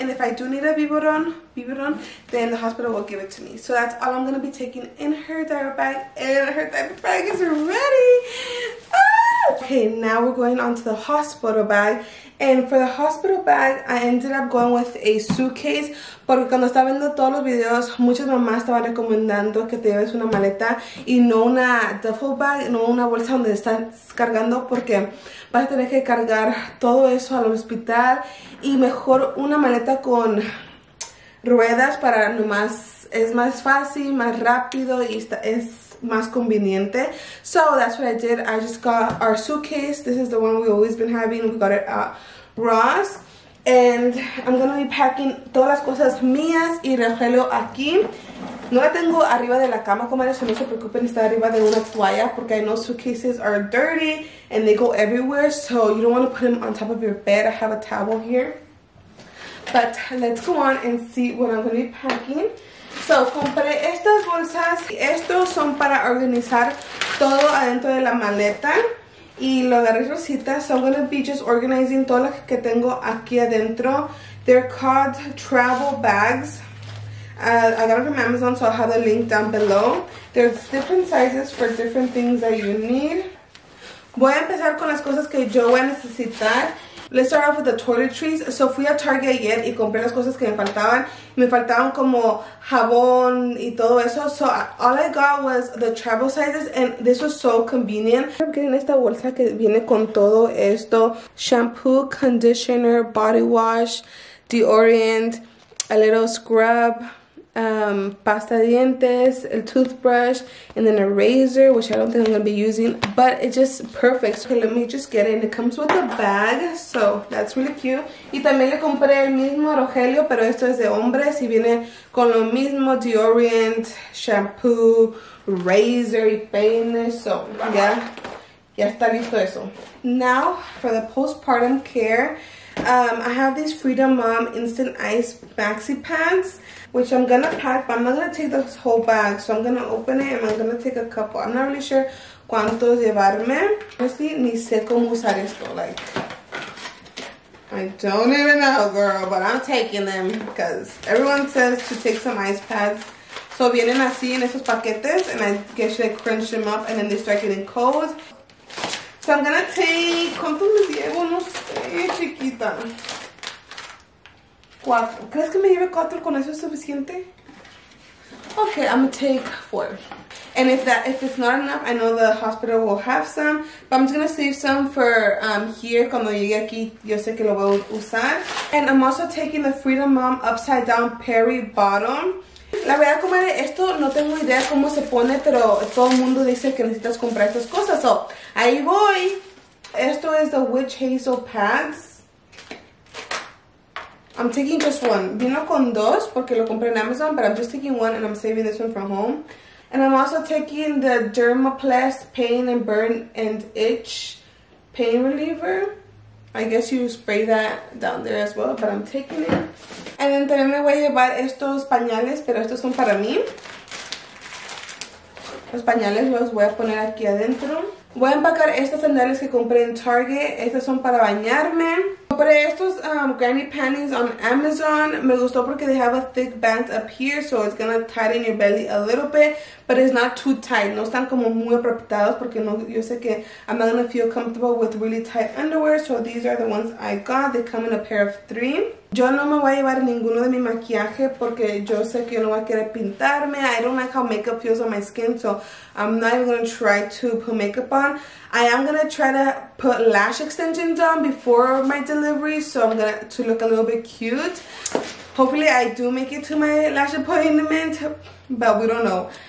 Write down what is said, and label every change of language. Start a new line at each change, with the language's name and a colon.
English: And if I do need a biberón, then the hospital will give it to me. So that's all I'm gonna be taking in her diaper bag. And her diaper bag is ready. Okay, now we're going on to the hospital bag. And for the hospital bag, I ended up going with a suitcase.
Spanish: Porque cuando estaba viendo todos los videos, muchas mamás estaban recomendando que te lleves una maleta y no una duffel bag, no una bolsa donde estás cargando, porque vas a tener que cargar todo eso al hospital. Y mejor una maleta con ruedas para nomás, es más fácil, más rápido y está, es más conveniente.
English: So that's what I did. I just got our suitcase. This is the one we've always been having. We got it at Ross. And I'm gonna be packing
Spanish: todas las cosas mías y Rogelio aquí. No la tengo arriba de la cama, comadres, so no se preocupen, está arriba de una toalla, porque
English: I know suitcases are dirty and they go everywhere, so you don't want to put them on top of your bed. I have a towel here. But let's go on and see what I'm gonna be packing.
Spanish: So, compré estas bolsas y estos son para organizar todo adentro de la maleta. Y lo agarré rosita. So,
English: I'm going to be just organizing
Spanish: todo lo que tengo aquí adentro.
English: They're called travel bags. I got them from Amazon, so I'll have the link down below. There's different sizes for different things that you need.
Spanish: Voy a empezar con las cosas que yo voy a necesitar.
English: Let's start off with the toiletries.
Spanish: So fui a Target ayer y compré las cosas que me faltaban. Me faltaban como jabón y todo eso.
English: So all I got was the travel sizes and this was so convenient. I'm getting
Spanish: esta bolsa que viene con todo esto.
English: Shampoo, conditioner, body wash, deodorant, a little scrub,
Spanish: pasta de dientes,
English: el toothbrush, and then a razor, which I don't think I'm gonna be using, but it's just perfect. So okay, let me just get it. And it comes with a bag, so that's really cute.
Spanish: Y también le compré el mismo a Rogelio, pero esto es de hombres y viene con lo mismo deodorant, shampoo, razor y peine. So yeah, ya está listo eso.
English: Now for the postpartum care, I have these Freedom Mom Instant Ice maxi pads, which I'm gonna pack, but I'm not gonna take this whole bag. So I'm gonna open it and I'm gonna take a couple. I'm not really sure
Spanish: cuántos llevarme.
English: Honestly,
Spanish: ni sé cómo usar esto.
English: Like, I don't even know, girl, but I'm taking them because everyone says to take some ice pads. So
Spanish: vienen así en esos paquetes
English: and I guess they crunch them up and then they start getting cold. So I'm gonna take,
Spanish: ¿cuántos me llevo? No sé, chiquita. Cuatro. ¿Crees que me lleve cuatro con eso es suficiente?
English: Okay, I'm gonna take four. And if it's not enough, I know the hospital will have some. But I'm just gonna save some for here.
Spanish: Cuando llegue aquí, yo sé que lo voy a usar.
English: And I'm also taking the Freedom Mom Upside Down Peri Bottom.
Spanish: La verdad, comadre, esto no tengo idea cómo se pone, pero todo el mundo dice que necesitas comprar estas cosas. So, ahí voy. Esto es the Witch Hazel Pads.
English: I'm taking just one.
Spanish: Vino con dos porque lo compré en Amazon,
English: but I'm just taking one and I'm saving this one from home. And I'm also taking the Dermaplast Pain and Burn and Itch Pain Reliever. I guess you spray that down there as well, but I'm taking it.
Spanish: And then también me voy a llevar estos pañales, pero estos son para mí. Los pañales los voy a poner aquí adentro. Voy a empacar estas sandales que compré en Target. Estas son para bañarme. Compré estos
English: granny panties on Amazon.
Spanish: Me gustó porque
English: they have a thick band up here, so it's gonna tighten your belly a little bit, but it's not too tight.
Spanish: No están como muy apretados porque no, yo sé que
English: I'm not gonna feel comfortable with really tight underwear, so these are the ones I got. They come in a pair of three.
Spanish: Yo no me voy a llevar ninguno de mi maquillaje porque yo sé que yo no voy a querer pintarme.
English: I don't like how makeup feels on my skin, so I'm not even gonna try to put makeup on. I am gonna try to put lash extensions on before my delivery, so I'm gonna to look a little bit cute. Hopefully I do make it to my lash appointment, but we don't know.